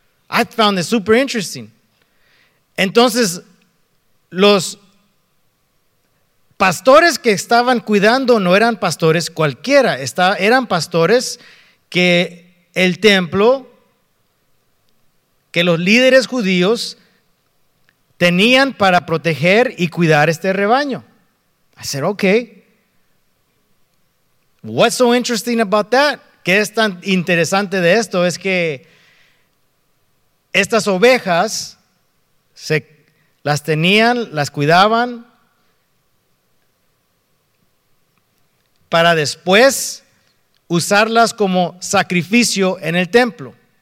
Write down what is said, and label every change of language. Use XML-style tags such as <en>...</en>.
<en>I found it super interesting.</en> <es>Entonces, los pastores que estaban cuidando no eran pastores cualquiera, eran pastores que el templo, que los líderes judíos tenían para proteger y cuidar este rebaño.</es> <en>I said, okay, what's so interesting about that?</en> <es>¿Qué es tan interesante de esto? Es que estas ovejas se las tenían, las cuidaban para después usarlas como sacrificio en el templo.</es>